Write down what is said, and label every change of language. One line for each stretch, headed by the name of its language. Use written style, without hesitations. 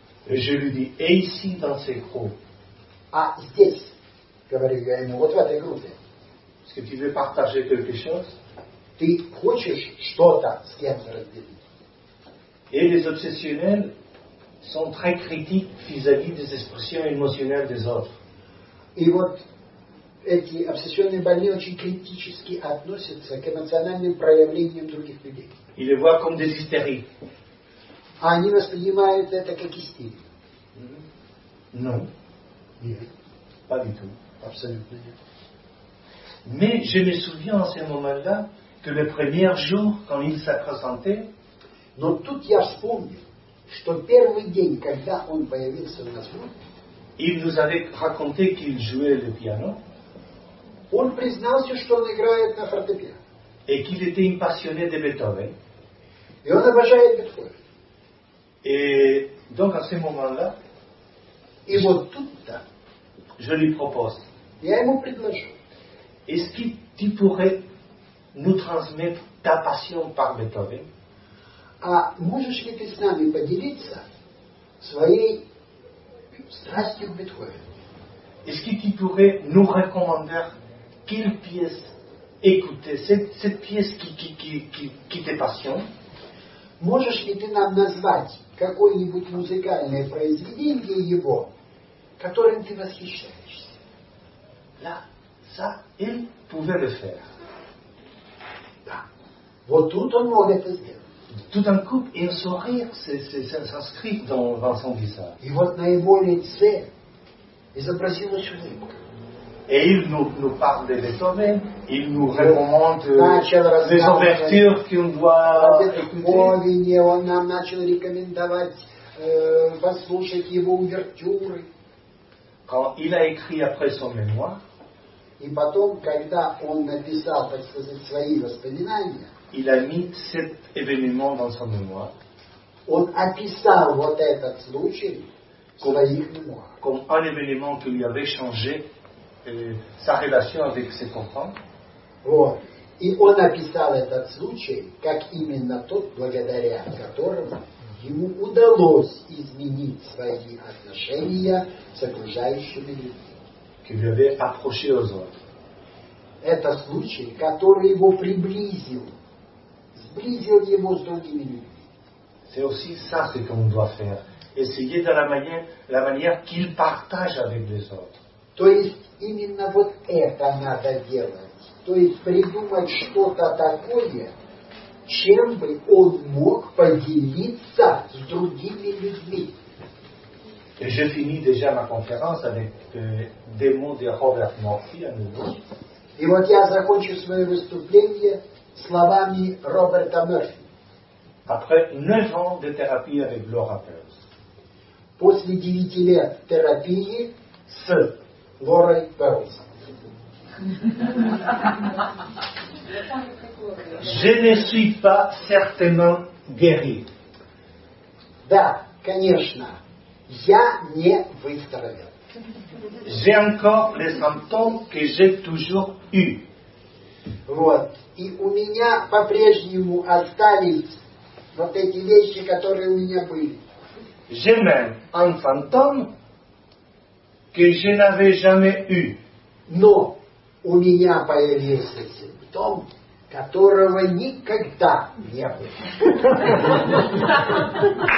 French: Je lui dis, et ici, dans ces groupes.
Russian: А здесь, говорю я ему, вот в этой группе.
French: Est-ce que tu veux partager quelque chose?
Russian: Ты хочешь что-то с кем-то разделить?
French: Et les obsessionnels sont très critiques vis-à-vis des expressions émotionnelles des autres.
Russian: И вот эти обсессионные больные очень критически относятся к эмоциональным проявлениям других людей.
French: Ils le voient comme des hystériques.
Russian: А они воспринимают это как истерию.
French: Non.
Russian: Нет.
French: Pas du tout.
Russian: Абсолютно нет.
French: Mais je me souviens à ce moment-là que le premier jour, quand il s'apprésentait,
Russian: но тут я вспомнил, что первый день, когда он появился у нас в группе,
French: il nous avait raconté qu'il jouait le piano.
Russian: Он признался, что он играет на фортепиано.
French: Et qu'il était un passionné de Beethoven.
Russian: И он обожает Бетховен.
French: Et donc à ce moment-là,
Russian: и вот тут-то,
French: je lui propose.
Russian: Я ему предложу.
French: Est-ce que tu pourrais nous transmettre ta passion par Beethoven?
Russian: А можешь ли ты с нами поделиться своей страстью к Бетховену?
French: Est-ce que tu pourrais nous recommander quelle pièce écouter, cette pièce qui te passionne?
Russian: Можешь ли ты нам назвать какое-нибудь музыкальное произведение его, которым ты восхищаешься?
French: Là, ça, il pouvait le faire.
Russian: Да. Вот тут он мог это сделать.
French: Tout d'un coup, un sourire s'inscrit dans son visage.
Russian: И вот на его лице изобразилась улыбка.
French: Et il nous parle de Beethoven, il nous recommande les ouvertures qu'on doit écouter.
Russian: Он нам начал рекомендовать послушать его увертюры.
French: Quand il a écrit après son mémoire,
Russian: и потом, когда он написал, так сказать, свои воспоминания,
French: il a mis cet événement dans son mémoire.
Russian: Он описал вот этот случай comme, своих мемуарах.
French: Comme un événement qui lui avait changé sa relation avec ses enfants.
Russian: Вот. И он описал этот случай как именно тот, благодаря которому ему удалось изменить свои отношения с окружающими людьми. Это случай, который его приблизил, сблизил его с другими людьми.
French: C'est aussi ça ce qu'on doit faire. Essayer de la manière qu'il partage avec les autres.
Russian: То есть именно вот это надо делать. То есть придумать что-то такое, чем бы он мог поделиться с другими людьми.
French: Je finis déjà ma conférence avec des mots de Robert Murphy à nouveau.
Russian: И вот я закончу свое выступление словами Роберта Мерфи.
French: Après 9 ans de thérapie avec Laura Perls.
Russian: После 9 лет терапии с Лорой Перлс.
French: Je ne suis pas certainement guéri.
Russian: Да, конечно, я не выздоровел.
French: J'ai encore les symptômes que j'ai toujours eu.
Russian: Вот. И у меня по-прежнему остались вот эти вещи, которые у меня были.
French: J'ai même un symptôme que je n'avais jamais eu.
Russian: Но у меня появился симптом, которого никогда не было.